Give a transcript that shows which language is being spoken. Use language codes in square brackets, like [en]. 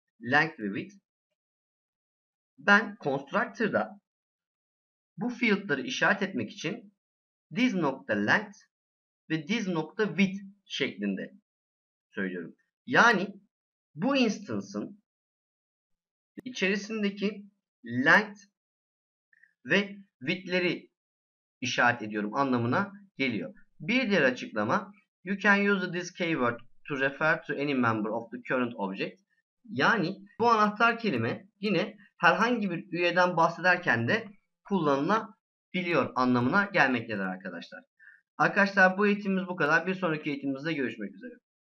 [tr] Length ve width. Ben constructor'da bu field'ları işaret etmek için this.length ve this.width şeklinde söylüyorum. Yani bu instance'ın içerisindeki length ve width'leri işaret ediyorum anlamına geliyor. Bir diğer açıklama [en] you can use the this keyword to refer to any member of the current object. [tr] Yani bu anahtar kelime yine herhangi bir üyeden bahsederken de kullanılabiliyor anlamına gelmektedir arkadaşlar. Arkadaşlar bu eğitimimiz bu kadar. Bir sonraki eğitimimizde görüşmek üzere.